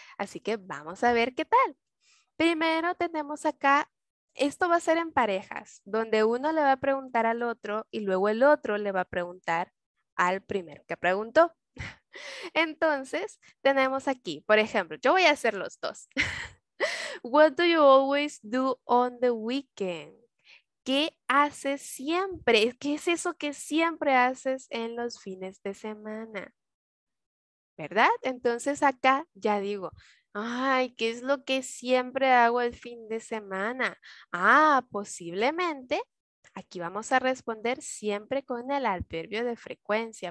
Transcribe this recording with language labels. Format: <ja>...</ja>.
<es>Así que vamos a ver qué tal. Primero tenemos acá, esto va a ser en parejas, donde uno le va a preguntar al otro y luego el otro le va a preguntar al primero que preguntó. Entonces, tenemos aquí, por ejemplo, yo voy a hacer los dos.</es> <en>What do you always do on the weekend?</en> <es>¿Qué haces siempre? ¿Qué es eso que siempre haces en los fines de semana? ¿Verdad? Entonces acá ya digo, ay, ¿qué es lo que siempre hago el fin de semana? Ah, posiblemente aquí vamos a responder siempre con el adverbio de frecuencia.</es>